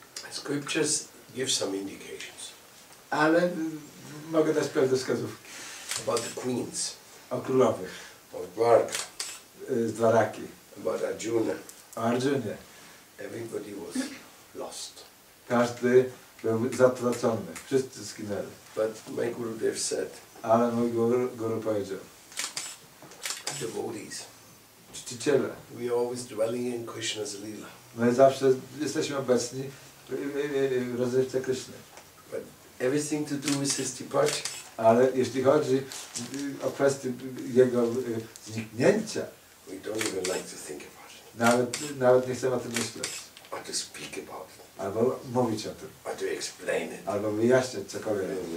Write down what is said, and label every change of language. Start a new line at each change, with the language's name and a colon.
English: Scriptures give some indications.
Polish: Ale mogę dać pewne wskazówki.
English: About the queens.
Polish: O królowych.
English: About Varga.
Polish: Z Varaki.
English: About Arjuna.
Polish: O Arjunie.
English: Everybody was lost.
Polish: Każdy był zatracony. Wszyscy zginęli.
English: But my Gurudev said.
Polish: Ale mój guru powiedział.
English: Devotees.
Polish: Czciciele.
English: We are always dwelling in Krishna's lila.
Polish: My zawsze jesteśmy obecni. Rozrywce Krishna.
English: But everything to do with his departure.
Polish: Ale jeśli chodzi o kwestię jego zniknięcia,
English: we don't even like to think about it.
Polish: Nawet nie chcemy o tym myśleć.
English: Or to speak about it.
Polish: Albo mówić o tym.
English: Or to explain it.
Polish: Albo wyjaśniać cokolwiek.